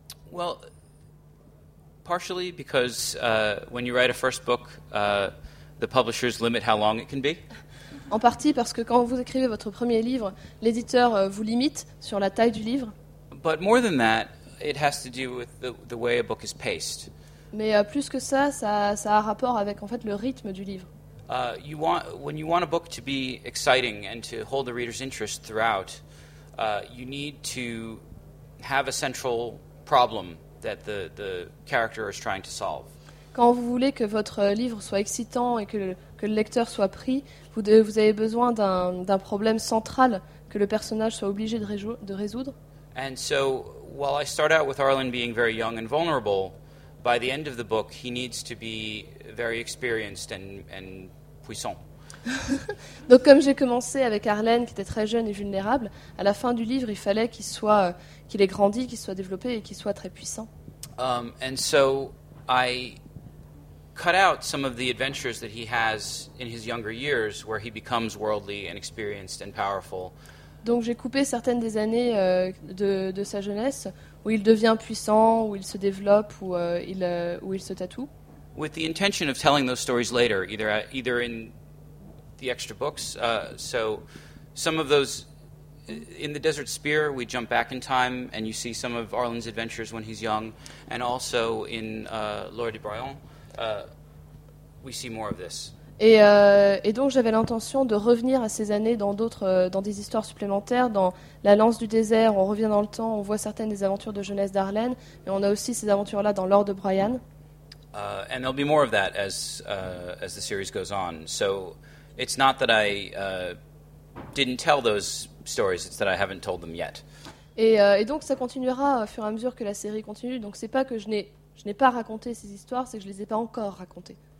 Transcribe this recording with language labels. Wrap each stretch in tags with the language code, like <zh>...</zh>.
<en>Well, partially because when you write a first book, the publishers limit how long it can be.</en> <fr>En partie parce que quand vous écrivez votre premier livre, l'éditeur vous limite sur la taille du livre.</fr> <en>But more than that, it has to do with the way a book is paced.</en> <fr>Mais plus que ça, ça a rapport avec en fait le rythme du livre.</fr> <en>When you want a book to be exciting and to hold the reader's interest throughout, you need to have a central problem that the character is trying to solve.</en> <fr>Quand vous voulez que votre livre soit excitant et que le lecteur soit pris, vous avez besoin d'un problème central que le personnage soit obligé de résoudre.</fr> <en>And so, while I start out with Arlen being very young and vulnerable, by the end of the book, he needs to be very experienced and puissant.</en> <fr>Donc comme j'ai commencé avec Arlen qui était très jeune et vulnérable, à la fin du livre, il fallait qu'il ait grandi, qu'il soit développé et qu'il soit très puissant.</fr> <en>And so I cut out some of the adventures that he has in his younger years where he becomes worldly and experienced and powerful.</en> <fr>Donc j'ai coupé certaines des années de sa jeunesse où il devient puissant, où il se développe, où il se tatoue.</fr> <en>With the intention of telling those stories later, either in the extra books. So some of those in the Desert Spear, we jump back in time and you see some of Arlen's adventures when he's young, and also in Lord de Brion, we see more of this.</en> <fr>Et donc j'avais l'intention de revenir à ces années dans d'autres, dans des histoires supplémentaires, dans La Lance du désert, on revient dans le temps, on voit certaines des aventures de jeunesse d'Arlène, et on a aussi ces aventures-là dans L'Or de Brian.</fr> <en>And there'll be more of that as the series goes on. So it's not that I didn't tell those stories, it's that I haven't told them yet.</en> <fr>Et donc ça continuera au fur et à mesure que la série continue, donc c'est pas que je n'ai pas raconté ces histoires, c'est que je les ai pas encore racontées.</fr>